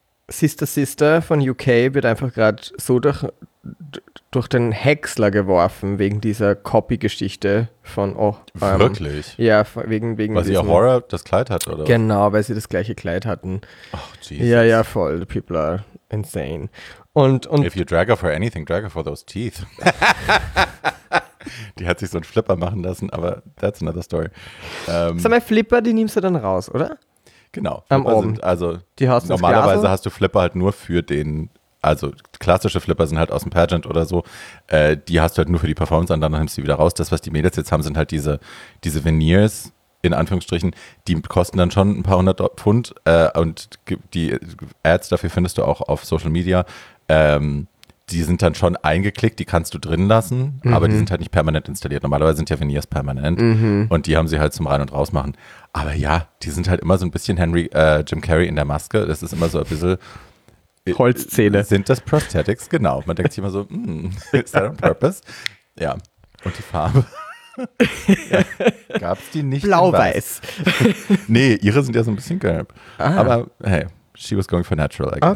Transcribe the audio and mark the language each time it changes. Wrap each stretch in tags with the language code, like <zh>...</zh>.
<de>Sister Sister von UK wird einfach gerade so durch den Häcksler geworfen, wegen dieser Copy-Geschichte von... Oh, wirklich? Ja, wegen weil diesen, sie auch Horror das Kleid hat, oder? Genau, weil sie das gleiche Kleid hatten.</de> <en>Oh, Jesus.</en> <de>Ja, ja, voll.</de> <en>The people are insane. Und if you drag her for anything, drag her for those teeth.</en> <de>Die hat sich so einen Flipper machen lassen, aber</de> <en>that's another story.</en> <de>Sag mal, Flipper, die nimmst du dann raus, oder? Genau. Am Oben. Also, die hast du normalerweise hast du Flipper halt nur für den... Also klassische Flipper sind halt aus dem Pageant oder so, die hast du halt nur für die Performance an, dann nimmst du die wieder raus. Das, was die Mädels jetzt haben, sind halt diese Veneers, in Anführungsstrichen, die kosten dann schon ein paar hundert Pfund und die Ads dafür findest du auch auf Social Media, die sind dann schon eingeklickt, die kannst du drin lassen, mhm, aber die sind halt nicht permanent installiert. Normalerweise sind ja Veneers permanent, mhm, und die haben sie halt zum Rein- und Rausmachen. Aber ja, die sind halt immer so ein bisschen Jim Carrey in der Maske, das ist immer so ein bisschen... Holzzähne. Sind das Prosthetics? Genau. Man denkt sich immer so, ist</de> <en>that on purpose?</en> <de>Ja. Und die Farbe? Ja. Gab es die nicht? Blau-weiß. Nee, ihre sind ja so ein bisschen gelb. Ah. Aber hey,</de> <en>she was going for natural, I guess.</en>